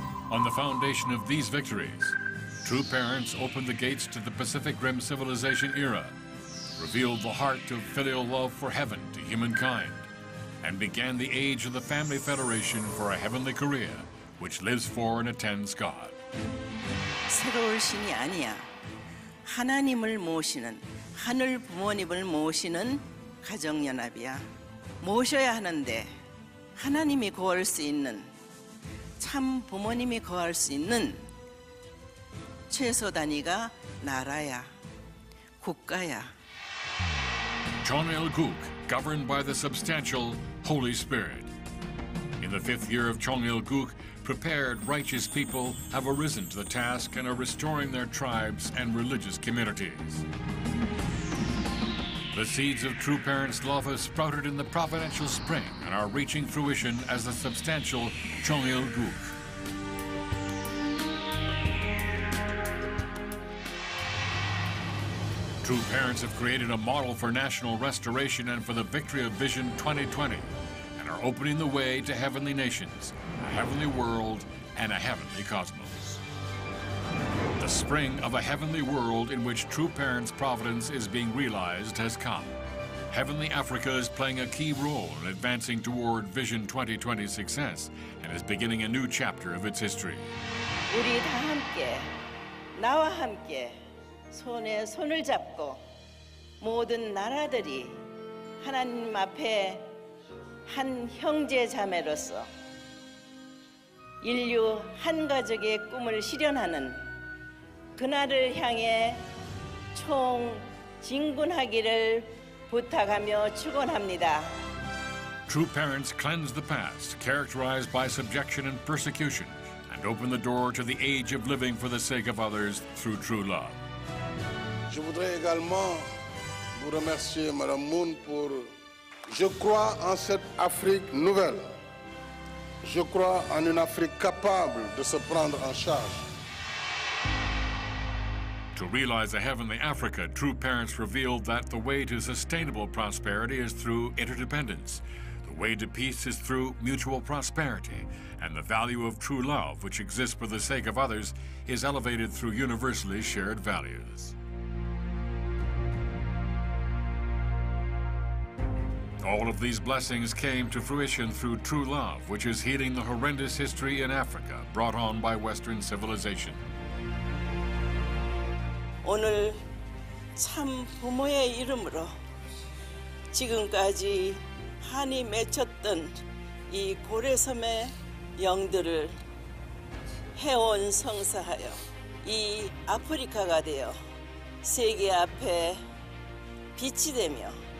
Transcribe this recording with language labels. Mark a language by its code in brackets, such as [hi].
[en] On the foundation of these victories, true parents opened the gates to the Pacific Rim civilization era, revealed the heart of filial love for heaven to humankind, and began the age of the Family Federation for a heavenly Korea, which lives for and attends God. [ko] 새로운 신이 아니야. 하나님을 모시는, 하늘 부모님을 모시는 가정연합이야. 모셔야 하는데 하나님이 구할 수 있는 참 부모님이 구할 수 있는 최소 단위가 나라야, 국가야. [en] Chong Il-guk, governed by the substantial Holy Spirit. In the fifth year of Chong Il-guk, prepared righteous people have arisen to the task and are restoring their tribes and religious communities. The seeds of true parents' love have sprouted in the providential spring and are reaching fruition as the substantial Chong Il-guk. True Parents have created a model for national restoration and for the victory of Vision 2020 and are opening the way to heavenly nations, a heavenly world, and a heavenly cosmos. The spring of a heavenly world in which True Parents' providence is being realized has come. Heavenly Africa is playing a key role in advancing toward Vision 2020 success and is beginning a new chapter of its history. [ko] 우리 다 함께, 나와 함께, 손에 손을 잡고 모든 나라들이 하나님 앞에 한 형제 자매로서 인류 한 가족의 꿈을 실현하는 그날을 향해 총 진군하기를 부탁하며 축원합니다. [en] True parents cleanse the past, characterized by subjection and persecution, and open the door to the age of living for the sake of others through true love. [fr] Je voudrais également vous remercier, Madame Moon, pour. Je crois en cette Afrique nouvelle. Je crois en une Afrique capable de se prendre en charge. [en] To realize a heavenly Africa, True Parents revealed that the way to sustainable prosperity is through interdependence. The way to peace is through mutual prosperity. And the value of true love, which exists for the sake of others, is elevated through universally shared values. All of these blessings came to fruition through true love, which is healing the horrendous history in Africa brought on by Western civilization. [ko] 오늘 참 부모의 이름으로 지금까지 한이 맺혔던 이 고래섬의 영들을 해온 성사하여 이 아프리카가 되어 세계 앞에 빛이 되며